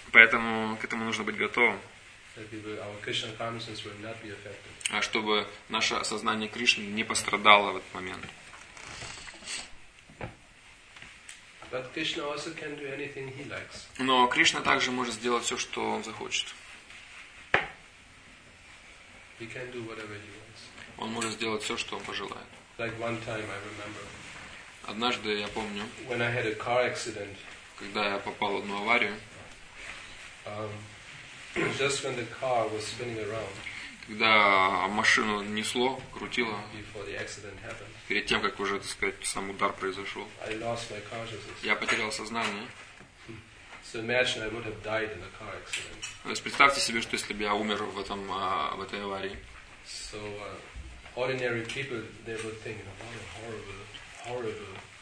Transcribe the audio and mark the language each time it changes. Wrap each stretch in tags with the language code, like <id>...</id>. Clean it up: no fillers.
<ru>Поэтому к этому нужно быть готовым.</ru> <en>Our Krishna consciousness will not be affected.</en> <ru>А чтобы наше сознание Кришны не пострадало в этот момент.</ru> <en>But Krishna also can do anything he likes.</en> <ru>Но Кришна также может сделать все, что он захочет.</ru> <en>He can do whatever he wants.</en> <ru>Он может сделать все, что он пожелает.</ru> <en>Like one time I remember.</en> <ru>Однажды я помню.</ru> <en>When I had a car accident.</en> <ru>Когда я попал в одну аварию,</ru> <en>just when the car was spinning around,</en> <ru>когда машину несло, крутило,</ru> <en>before the accident happened,</en> <ru>перед тем, как уже, так сказать, сам удар произошел,</ru> <en>I lost my consciousness.</en> <ru>Я потерял сознание.</ru> <en>So imagine I would have died in a car accident.</en> <ru>То есть представьте себе, что если бы я умер в этом, в этой аварии.</ru> <en>So, ordinary people, they would think, what a horrible, horrible.</en>